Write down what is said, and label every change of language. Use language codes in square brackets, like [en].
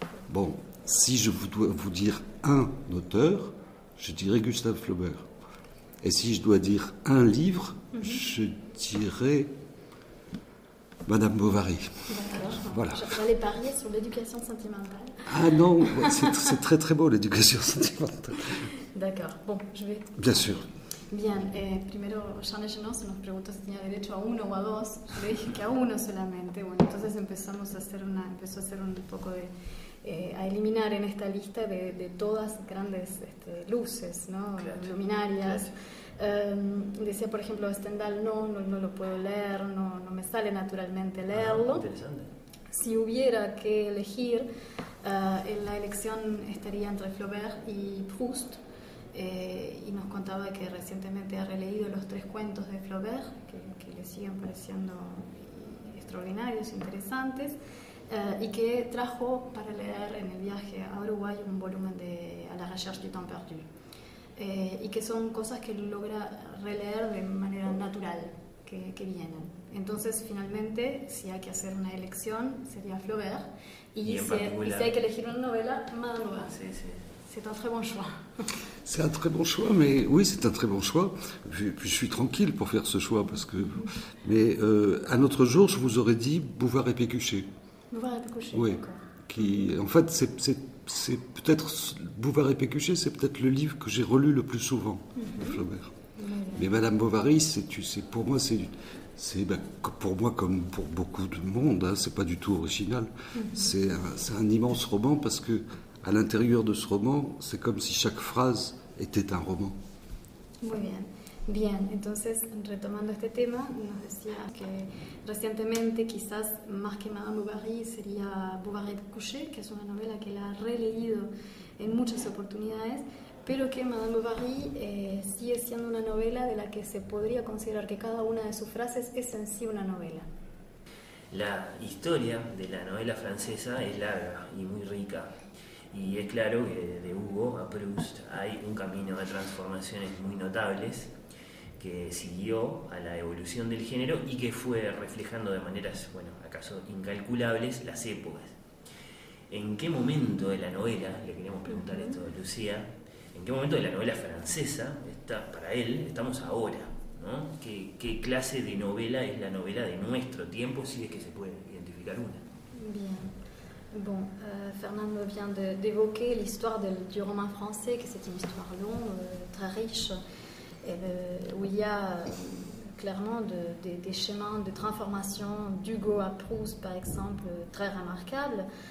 [fr] Bon, si je dois vous dire un auteur, je dirais Gustave Flaubert. Et si je dois dire un livre, je dirais Madame Bovary. D'accord. Voilà. J'allais parier sur l'éducation sentimentale. Ah non, c'est très très beau l'éducation sentimentale. D'accord. Bon, je vais... Bien sûr. Bien. [es] Primero, Charles Chenon se nos preguntó si tenía derecho a uno o a dos. Yo le dije que a uno solamente. Bueno, entonces empezó a hacer un poco de... a eliminar en esta lista de todas grandes luces, ¿no? Claro. Luminarias. Claro. Decía, por ejemplo, Stendhal, no lo puedo leer, no me sale naturalmente leerlo. Interesante. Si hubiera que elegir, la elección estaría entre Flaubert y Proust. Y nos contaba que recientemente ha releído los tres cuentos de Flaubert, que le siguen pareciendo extraordinarios, interesantes, y que trajo para leer en el viaje a Uruguay un volumen de A la recherche du temps perdu. Y que son cosas que logra releer de manera natural, que vienen. Entonces, finalmente, si hay que hacer una elección, sería Flaubert. Y si hay que elegir una novela, Madame Bovary. Sí, sí. [fr] C'est un très bon choix. C'est un très bon choix, mais oui, c'est un très bon choix. Je suis tranquille pour faire ce choix, parce que... Mais un autre jour, je vous aurais dit Bouvard et Pécuchet. Bouvard et Pécuchet, oui. D'accord. Qui, en fait, c'est peut-être Bouvard et Pécuchet, c'est peut-être le livre que j'ai relu le plus souvent de Flaubert. Mais Madame Bovary, pour moi comme pour beaucoup de monde, c'est pas du tout original. C'est un immense roman parce que à l'intérieur de ce roman, c'est comme si chaque phrase était un roman. [es] Muy bien. Bien, entonces retomando este tema, nos decía que recientemente quizás más que Madame Bovary sería Bovary de Coucher, que es una novela que la ha releído en muchas oportunidades, pero que Madame Bovary sigue siendo una novela de la que se podría considerar que cada una de sus frases es en sí una novela. La historia de la novela francesa es larga y muy rica. Y es claro que de Hugo a Proust hay un camino de transformaciones muy notables que siguió a la evolución del género y que fue reflejando de maneras, bueno, acaso incalculables, las épocas. ¿En qué momento de la novela, le queremos preguntar esto a Lucía, en qué momento de la novela francesa, está, para él, estamos ahora, ¿no? ¿Qué clase de novela es la novela de nuestro tiempo, si es que se puede identificar una? Bien. [fr] Bon, Fernando vient d'évoquer l'histoire du roman français, que c'est une histoire longue, très riche, et, où il y a clairement des chemins de transformation d'Hugo à Proust, par exemple, très remarquables.